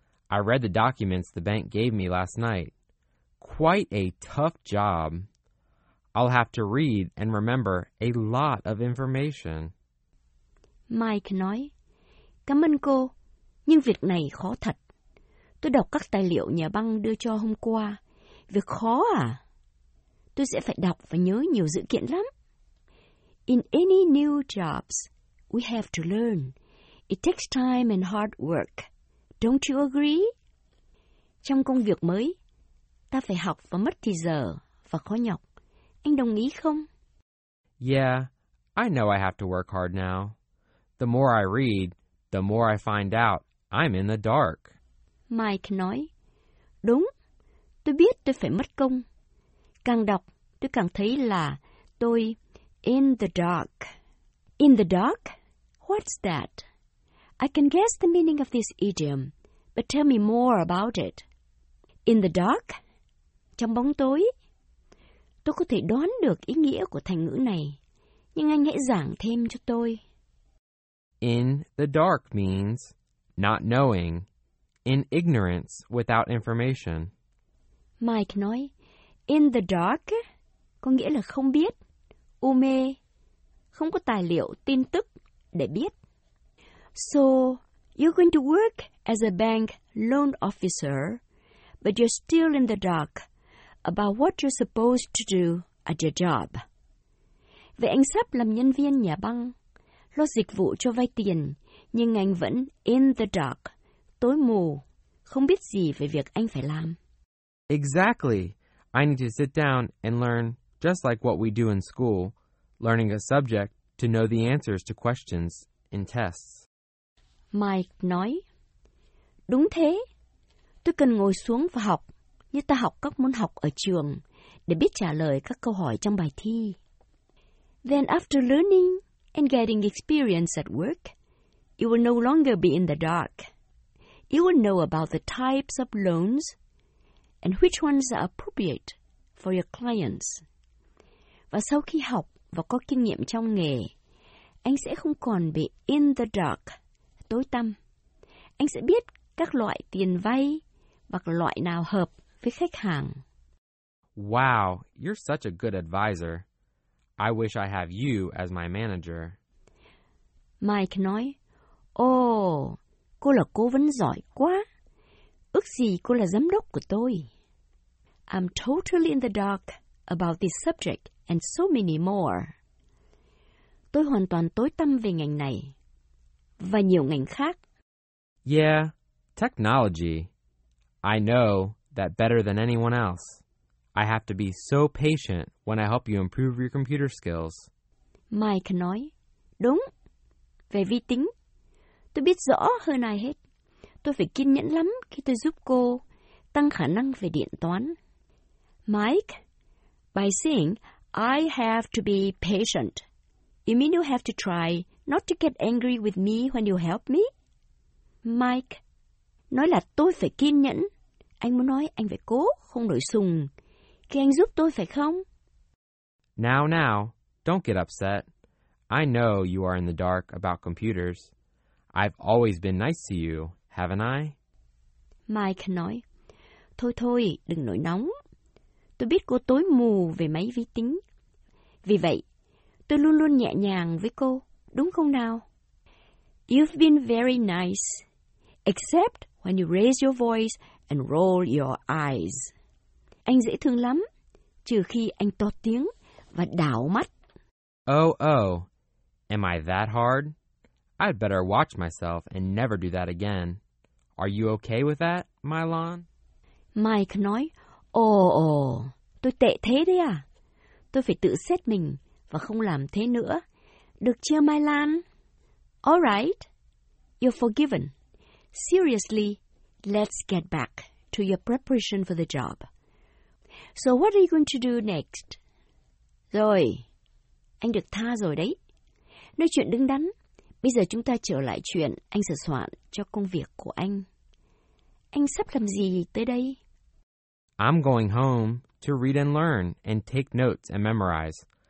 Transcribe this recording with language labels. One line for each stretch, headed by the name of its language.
English: I read the documents the bank gave me last night. Quite a tough job. I'll have to read and remember a lot of information.
Vietnamese: Mike nói, cảm ơn cô, nhưng việc này khó thật. Tôi đọc các tài liệu nhà băng đưa cho hôm qua. Việc khó à? Tôi sẽ phải đọc và nhớ nhiều dữ kiện lắm.
English: In any new jobs, we have to learn. It takes time and hard work. Don't you agree?
Vietnamese: Trong công việc mới, ta phải học và mất thì giờ và khó nhọc. Anh đồng ý không?
English: Yeah, I know I have to work hard now. The more I read, the more I find out I'm in the dark.
Vietnamese: Mike nói, đúng, tôi biết tôi phải mất công. Càng đọc, tôi càng thấy là tôi in the dark.
English: In the dark? What's that? I can guess the meaning of this idiom, but tell me more about it. In the dark?
Vietnamese: Trong bóng tối, tôi có thể đoán được ý nghĩa của thành ngữ này, nhưng anh hãy giảng thêm cho tôi.
English: In the dark means not knowing, in ignorance without information.
Vietnamese: Mike nói, in the dark có nghĩa là không biết, u mê, không có tài liệu, tin tức để biết.
English: So, you're going to work as a bank loan officer, but you're still in the dark about what you're supposed to do at your job.
Vietnamese: Vậy anh sắp làm nhân viên nhà băng, lo dịch vụ cho vay tiền, nhưng anh vẫn in the dark, tối mù, không biết gì về việc anh phải làm.
English: Exactly. I need to sit down and learn, just like what we do in school, learning a subject to know the answers to questions in tests.
Vietnamese: Mike nói, đúng thế, tôi cần ngồi xuống và học như ta học các môn học ở trường để biết trả lời các câu hỏi trong bài thi.
English: Then after learning and getting experience at work, you will no longer be in the dark. You will know about the types of loans and which ones are appropriate for your clients.
Vietnamese: Và sau khi học và có kinh nghiệm trong nghề, anh sẽ không còn bị in the dark, tối tăm. Anh sẽ biết các loại tiền vay và loại nào hợp với khách hàng.
English: Wow, you're such a good advisor. I wish I have you as my manager.
Vietnamese: Mike nói, cô là cố vấn giỏi quá. Ước gì cô là giám đốc của tôi. I'm totally in the dark about this subject and so many more. Tôi hoàn toàn tối tăm về ngành này và nhiều ngành khác.
English: Yeah, technology. I know that better than anyone else. I have to be so patient when I help you improve your computer skills.
Vietnamese: Mike nói, đúng, về vi tính. Tôi biết rõ hơn ai hết. Tôi phải kiên nhẫn lắm khi tôi giúp cô tăng khả năng về điện toán.
English: Mike, by saying, I have to be patient, you mean you have to try not to get angry with me when you help me?
Vietnamese: Mike, nói là tôi phải kiên nhẫn. Anh muốn nói anh phải cố, không nổi sùng. Khi anh giúp tôi phải không?
English: Now, now, don't get upset. I know you are in the dark about computers. I've always been nice to you, haven't I?
Vietnamese: Mike nói, thôi thôi, đừng nổi nóng. Tôi biết cô tối mù về máy vi tính. Vì vậy, tôi luôn luôn nhẹ nhàng với cô, đúng không nào?
English: You've been very nice, except when you raise your voice and roll your eyes.
Vietnamese: Anh dễ thương lắm, trừ khi anh to tiếng và đảo mắt.
English: Oh, oh, am I that hard? I'd better watch myself and never do that again. Are you okay with that, Mylon?
Vietnamese: Mike nói, Oh, tôi tệ thế đấy à. Tôi phải tự xét mình và không làm thế nữa. Được chưa,
English: Mylon? All right, you're forgiven. Seriously, let's get back to your preparation for the job. So what are you going to do next?
Vietnamese: Rồi, anh được tha rồi đấy. Nói chuyện đứng đắn. Bây giờ chúng ta trở lại chuyện anh sửa soạn cho công việc của anh. Anh sắp làm gì tới đây?
English: I'm going home to read and learn and take notes and memorize.